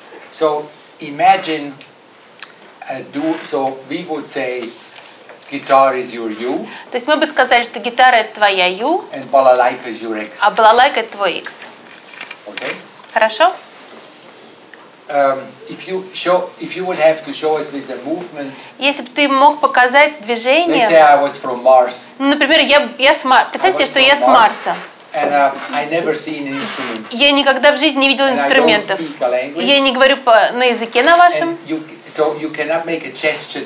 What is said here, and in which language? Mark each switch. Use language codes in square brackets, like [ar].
[en] So, imagine so we would say guitar is your you. [ru] То есть мы бы сказали, что гитара это твоя you. [en] And balalaika is your x. [ru] А балалайка это твой x. [en] Okay. [ru] Хорошо? [en] If you would have to show us with a movement. [ru] Если бы ты мог показать движение. [en] Let's say I was from Mars. [ru] Ну, например, я с Марса. Представьте, что я с Марса. [en] And I never seen an instrument. [ru] Я никогда в жизни не видел инструментов. Я не говорю на языке на вашем. [en] So you cannot make a gesture.